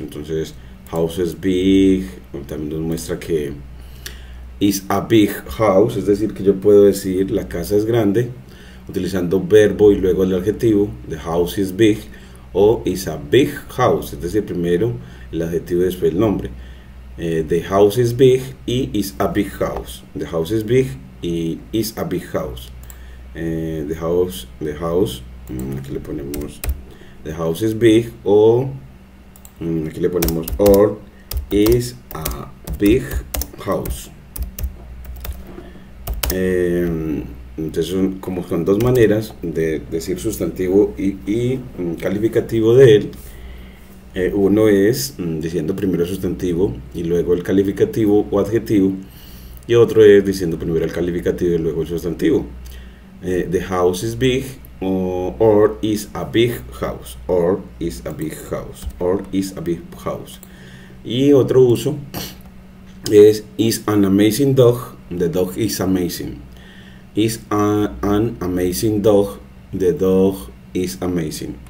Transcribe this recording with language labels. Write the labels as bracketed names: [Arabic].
[Spanish] Entonces, [English] house is big, [Spanish] también nos muestra que [English] is a big house, [Spanish] es decir, que yo puedo decir la casa es grande utilizando verbo y luego el adjetivo, [English] the house is big, [Spanish] o is a big house, es decir, primero el adjetivo y después el nombre. [English] The house is big y is a big house. The house is big y is a big house. The house, [Spanish] aquí le ponemos [English] the house is big, [Spanish] o aquí le ponemos [English] or is a big house. [Spanish] Entonces son como son dos maneras de decir sustantivo y calificativo de él. Uno es diciendo primero el sustantivo y luego el calificativo o adjetivo, y otro es diciendo primero el calificativo y luego el sustantivo. [English] The house is big, or is a big house, or is a big house, or is a big house. [Spanish] Y otro uso es [English] is an amazing dog, the dog is amazing. Is an amazing dog, the dog is amazing.